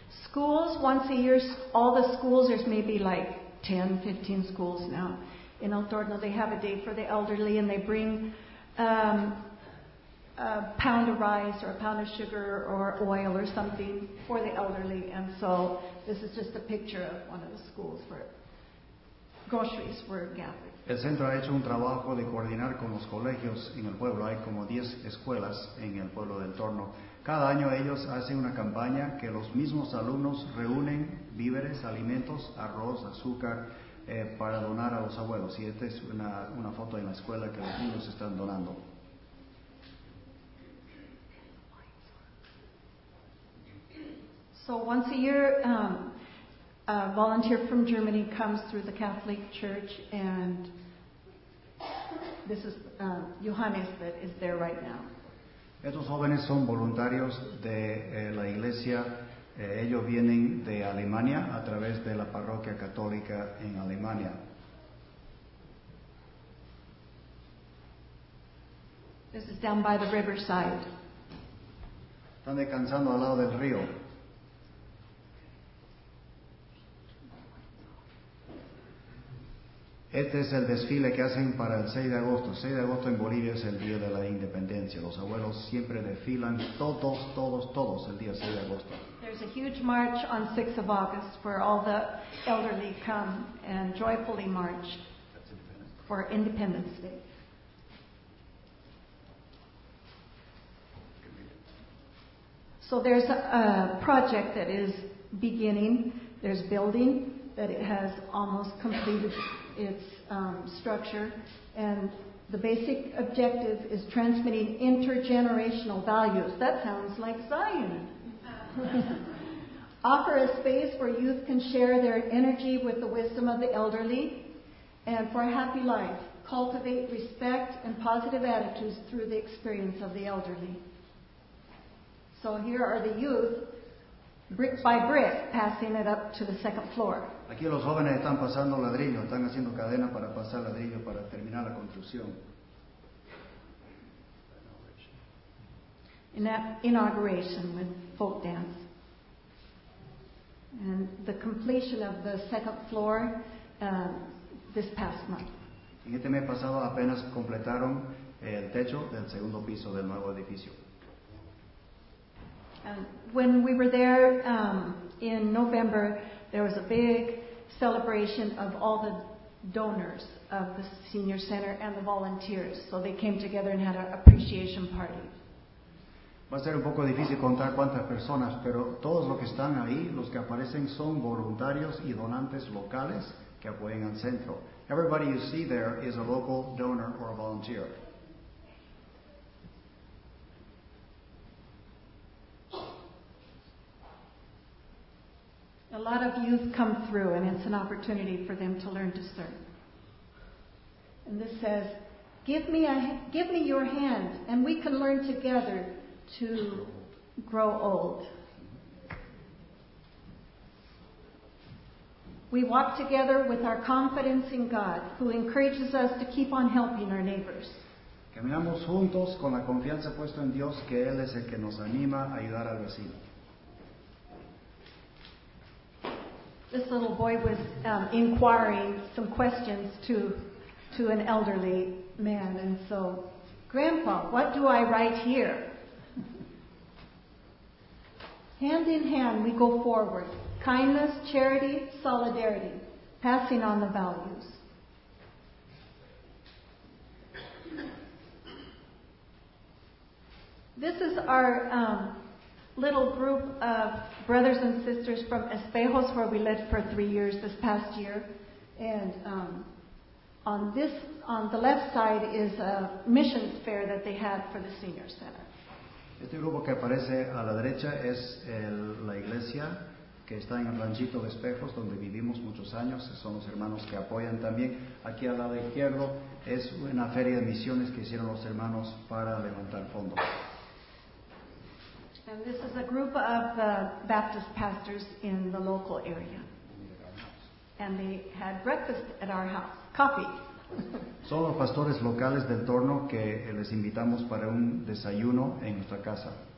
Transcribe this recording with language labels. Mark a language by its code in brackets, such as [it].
[en] Schools, once a year, all the schools, there's maybe like 10, 15 schools now in El Torno, they have a day for the elderly and they bring a pound of rice or a pound of sugar or oil or something for the elderly. And so this is just a picture of one of the schools where groceries were gathered. [es] El centro ha hecho un trabajo de coordinar con los colegios en el pueblo. Hay como 10 escuelas en el pueblo del Torno. Cada año ellos hacen una campaña que los mismos alumnos reúnen víveres, alimentos, arroz, azúcar, para donar a los abuelos. Y esta es una foto en la escuela que los niños están donando. [en] So once a year, a volunteer from Germany comes through the Catholic Church, and this is Johannes that is there right now. [es] Estos jóvenes son voluntarios de la iglesia. Ellos vienen de Alemania a través de la parroquia católica en Alemania. [en] This is down by the riverside. [es] Están descansando al lado del río. Este es el desfile que hacen para el 6 de agosto. 6 de agosto en Bolivia es el día de la independencia. Los abuelos siempre desfilan todos el día 6 de agosto. [en] There's a huge march on 6th of August where all the elderly come and joyfully march for Independence Day. So there's a project that is beginning. There's building that it has almost completed its structure, and the basic objective is transmitting intergenerational values. That sounds like Zion. Offer a space where youth can share their energy with the wisdom of the elderly, and for a happy life, cultivate respect and positive attitudes through the experience of the elderly. So here are the youth, brick by brick, passing it up to the second floor. [es] Aquí los jóvenes están pasando ladrillo, están haciendo cadena para pasar ladrillo para terminar la construcción. [en] Inauguration with folk dance. And the completion of the second floor this past month. [es] En este mes pasado apenas completaron el techo del segundo piso del nuevo edificio. [en] When we were there in November, there was a big celebration of all the donors of the senior center and the volunteers. So they came together and had an appreciation party. [es] Va a ser un poco difícil contar cuántas personas, pero todos los que están ahí, los que aparecen, son voluntarios y donantes locales que apoyan al centro. [en] Everybody you see there is a local donor or a volunteer. A lot of youth come through, and it's an opportunity for them to learn to serve. And this says, give me your hand, and we can learn together to grow old. We walk together with our confidence in God, who encourages us to keep on helping our neighbors. [es] Caminamos juntos con la confianza puesta en Dios, que Él es el que nos anima a ayudar al vecino. [en] This little boy was inquiring some questions to an elderly man, and so, Grandpa, what do I write here? Hand in hand, we go forward. Kindness, charity, solidarity, passing on the values. This is our little group of brothers and sisters from Espejos, where we lived for 3 years this past year. And on the left side is a missions fair that they had for the senior center. [es] Este grupo que aparece a la derecha es la iglesia que está en el ranchito de Espejos, donde vivimos muchos años. Son los hermanos que apoyan también. Aquí al lado izquierdo es una feria de misiones que hicieron los hermanos para levantar fondos. [en] And this is a group of Baptist pastors in the local area. And they had breakfast at our house. Coffee. [es] Son los pastores locales del entorno que les invitamos para un desayuno en nuestra casa.